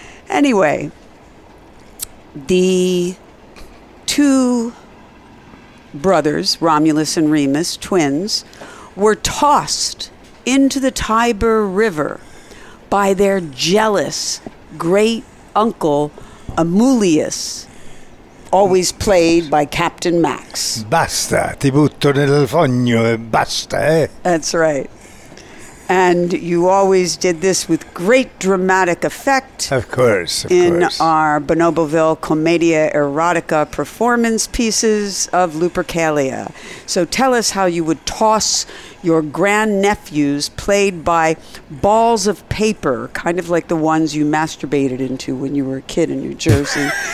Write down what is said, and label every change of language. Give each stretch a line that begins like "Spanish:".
English: Anyway, the two brothers, Romulus and Remus, twins, were tossed into the Tiber River by their jealous great uncle, Amulius, always played by Captain Max.
Italian: Basta, ti butto nel fogno e basta, eh?
English: That's right. And you always did this with great dramatic effect. Of course. Our Bonoboville Commedia Erotica performance pieces of Lupercalia. So tell us how you would toss your grandnephews, played by balls of paper, kind of like the ones you masturbated into when you were a kid in New Jersey.